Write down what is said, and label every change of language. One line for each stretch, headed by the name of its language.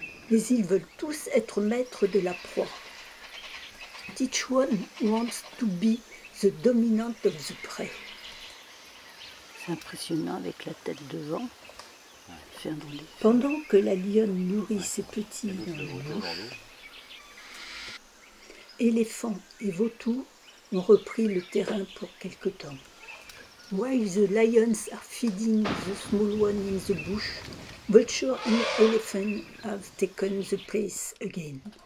French: Mais ils veulent tous être maîtres de la proie.
English: Each one wants to be the dominant of the prey.
French: C'est impressionnant avec la tête devant. Pendant que la lionne nourrit ses petits dans la bouche, éléphants et vautours ont repris le terrain pour quelque temps.
English: While the lions are feeding the small one in the bush, vultures and elephants have taken the place again.